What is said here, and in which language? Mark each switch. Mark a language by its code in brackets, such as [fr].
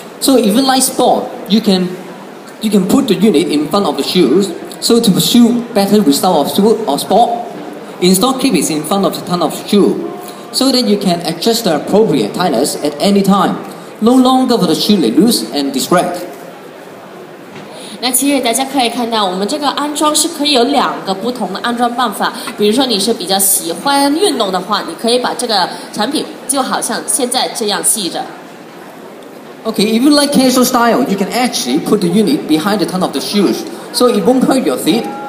[en] So if you like sport, you can put the unit in front of the shoes, so to pursue better result of shoe or sport, install clips in front of the tongue of the shoe, so that you can adjust the appropriate tightness at any time, no longer for the shoe lay loose and distract. [zh] 那其实大家可以看到，我们这个安装是可以有两个不同的安装办法。比如说你是比较喜欢运动的话，你可以把这个产品就好像现在这样系着。 [en] Okay, if you like casual style, you can actually put the unit behind the tongue of the shoes, so it won't hurt your feet.